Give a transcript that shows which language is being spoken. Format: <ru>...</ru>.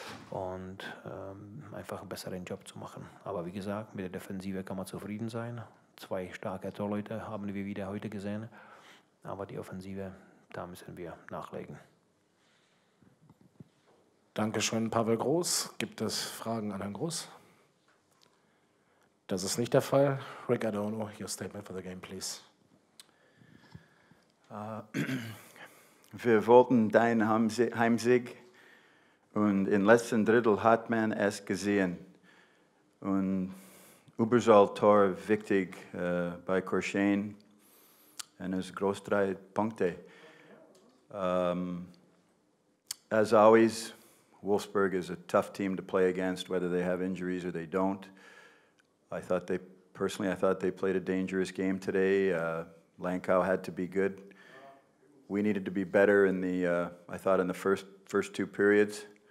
<de>Und einfach einen besseren Job zu machen. Aber wie gesagt, mit der Defensive kann man zufrieden sein. 2 starke Torleute haben wir wieder heute gesehen. Aber die Offensive, da müssen wir nachlegen. Dankeschön, Pavel Groß. Gibt es Fragen an Herrn Groß? Das ist nicht der Fall.</de> <en>Rick Adorno, your statement for the game, please.</en> <de>Wir wollten deinen Heimsieg und im letzten Drittel hat man es gesehen. Und Überzahl-Tor wichtig bei Korshain und es groß 3 Punkte.</de> <en>As always, Wolfsburg is a tough team to play against, whether they have injuries or they don't. I thought they played a dangerous game today. Lankau had to be good. We needed to be better in the, I thought, in the first two periods.</en>